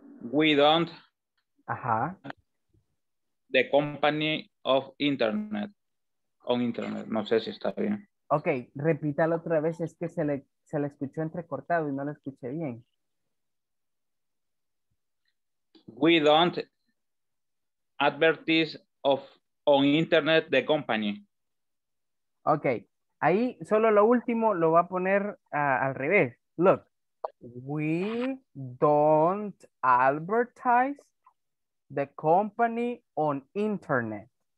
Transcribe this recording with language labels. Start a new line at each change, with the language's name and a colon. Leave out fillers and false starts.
English: We don't. Ajá. The company of internet. On internet.
Spanish: No sé si está bien. Ok, repítalo otra vez. Es que se le escuchó entrecortado y no lo escuché bien.
English: We don't advertise of on internet the company. Ok.
Spanish: Ahí solo lo último lo va a poner al revés.
English: Look, we don't advertise the company on internet.